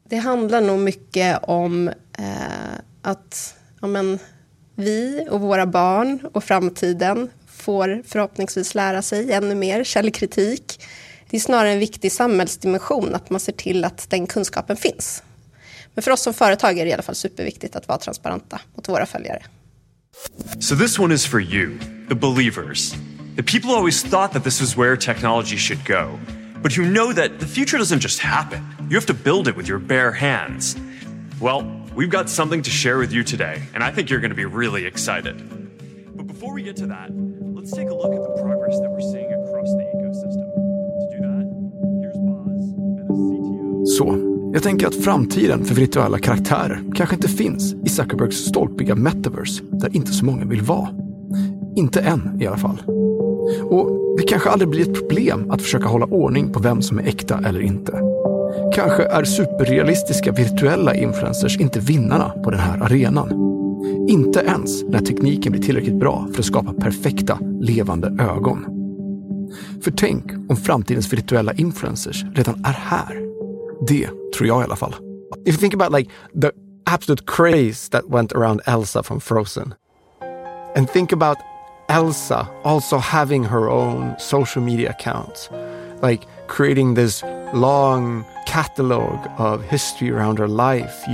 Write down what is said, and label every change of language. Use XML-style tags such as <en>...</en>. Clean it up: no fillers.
<sv>Det handlar nog mycket om att ja men, vi och våra barn och framtiden får förhoppningsvis lära sig ännu mer källkritik. Det är snarare en viktig samhällsdimension att man ser till att den kunskapen finns. Men för oss som företag är det i alla fall superviktigt att vara transparenta mot våra följare.</sv> <en>So this one is for you, the believers. The people always thought that this is where technology should go. But you know that the future doesn't just happen. You have to build it with your bare hands. Well, we've got something to share with you today, and I think you're going to be really excited. But before we get to that, let's take a look at the progress that we're seeing across the ecosystem. To do that, here's Boz and his CTO. So.</en> <sv>Jag tänker att framtiden för virtuella karaktärer kanske inte finns i Zuckerbergs stolpiga metaverse där inte så många vill vara. Inte än i alla fall. Och det kanske aldrig blir ett problem att försöka hålla ordning på vem som är äkta eller inte. Kanske är superrealistiska virtuella influencers inte vinnarna på den här arenan. Inte ens när tekniken blir tillräckligt bra för att skapa perfekta, levande ögon. För tänk om framtidens virtuella influencers redan är här. Det tror jag i alla fall.</sv> <en>If you think about like the absolute craze that went around Elsa from Frozen, and think about Elsa also having her own social media accounts, like creating this long catalog of history around her life.</en>